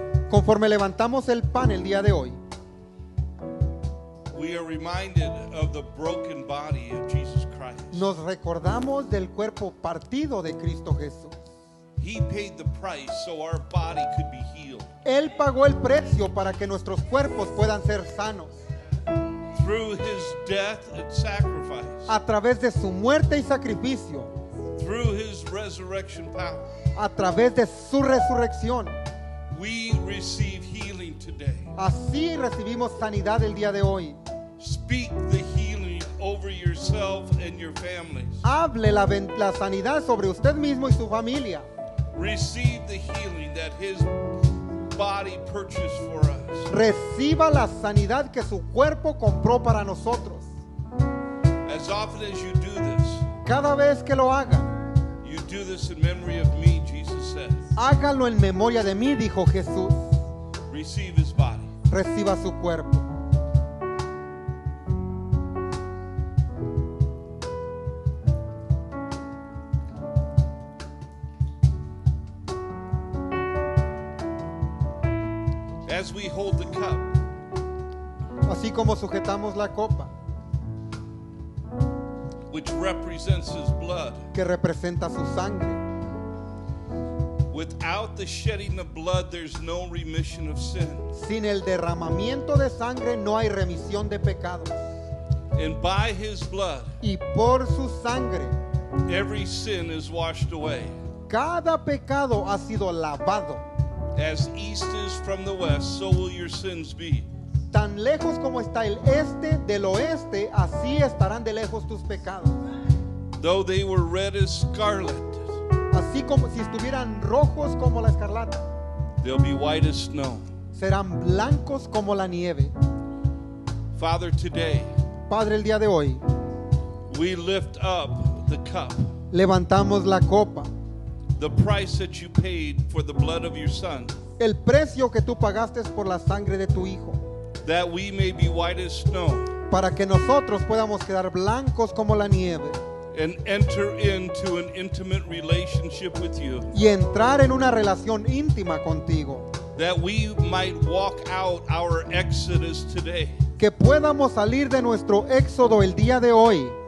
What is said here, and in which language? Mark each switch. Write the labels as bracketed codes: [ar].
[es] Conforme levantamos el pan el día de hoy. [en] We are reminded of the broken body of Jesus Christ. [es] Nos recordamos del cuerpo partido de Cristo Jesús. [en] He paid the price so our body could be healed. [es] Él pagó el precio para que nuestros cuerpos puedan ser sanos. [en] Through his death and sacrifice. [es] A través de su muerte y sacrificio. [en] Through his resurrection power. [es] A través de su resurrección. [en] We receive healing today. [es] Así recibimos sanidad el día de hoy. [en] Speak the healing over yourself and your families. [es] Hable la sanidad sobre usted mismo y su familia. [en] Receive the healing that his body purchased for us. [es] Reciba la sanidad que su cuerpo compró para nosotros. [en] As often as you do this, [es] cada vez que lo haga, [en] you do this in memory of me, Jesus said. [es] Hágalo en memoria de mí, dijo Jesús. [en] Receive his body. [es] Reciba su cuerpo. [en] As we hold the cup, [es] así como sujetamos la copa, [en] which represents his blood, [es] que representa su sangre. [en] Without the shedding of blood, there's no remission of sin. [es] Sin el derramamiento de sangre, no hay remisión de pecados. [en] And by his blood, [es] y por su sangre, [en] every sin is washed away. [es] Cada pecado ha sido lavado. [en] As east is from the west, so will your sins be. [es] Tan lejos como está el este del oeste, así estarán de lejos tus pecados. [en] Though they were red as scarlet, [es] así como si estuvieran rojos como la escarlata, [en] they'll be white as snow. [es] Serán blancos como la nieve. [en] Father, today, [es] Padre, el día de hoy, [en] we lift up the cup. [es] Levantamos la copa. [en] The price that you paid for the blood of your son. [es] El precio que tú pagaste por la sangre de tu hijo. [en] That we may be white as snow. [es] Para que nosotros podamos quedar blancos como la nieve. [en] And enter into an intimate relationship with you. [es] Y entrar en una relación íntima contigo. [en] That we might walk out our exodus today. [es] Que podamos salir de nuestro éxodo el día de hoy.